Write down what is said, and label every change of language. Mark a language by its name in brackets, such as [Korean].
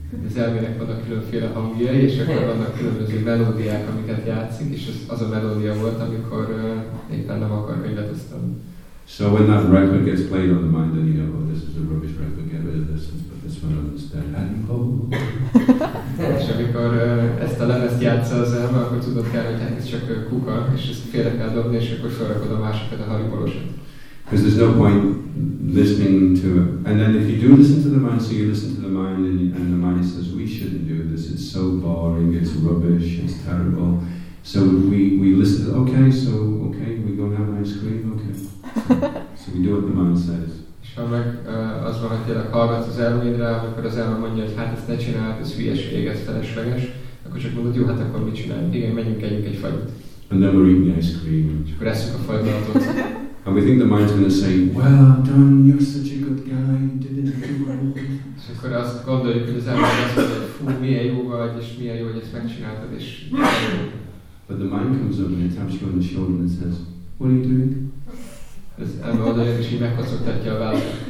[Hungarian] Az elvének vannak különféle hangjai, és akkor vannak különböző melódiák, amiket játszik, és az a melódia volt, amikor éppen nem akar megletoztani. [English] So when that record gets played on the mind, then you know, oh, this is a rubbish record, get rid of this, but this one understands. And oh. [Hungarian] És amikor ezt a lemezt játssza az elme, akkor tudod kell, hogy hát ez csak kuka, és ezt félre kell dobni, és akkor felrakod a másikat, a haribolósat. [English] Because there's no point listening to it. And then if you do listen to the mind, so you listen to the mind, and the mind says, we shouldn't do this, it's so boring, it's rubbish, it's terrible. So we listen, okay, so okay, we go and have ice cream, okay. So we do what the mind says. [Hungarian] És ha meg az van, hogy tényleg hallgatsz az elmédre, amikor az elmé mondja, hogy hát ezt ne csináld, ez hülyeség, ez felesleges, akkor csak mondod, jó, hát akkor mit csinálj? Igen, menjünk, együnk egy fagyit. [English] And then we're eating ice cream. [Hungarian] És akkor eszünk a fagylaltot. [English] And we think the mind's going to say, well done, you're such a good guy, you did it too well. [Hungarian] És akkor azt gondoljuk, hogy az elmé azt mondja, hogy fú, milyen jó vagy, és milyen jó, hogy ezt megcsináltad, és... [English] But the mind comes up and it taps you on the shoulder and says, what are you doing? [Hungarian] Ez elme odajön, és így megkocogtatja a vállat.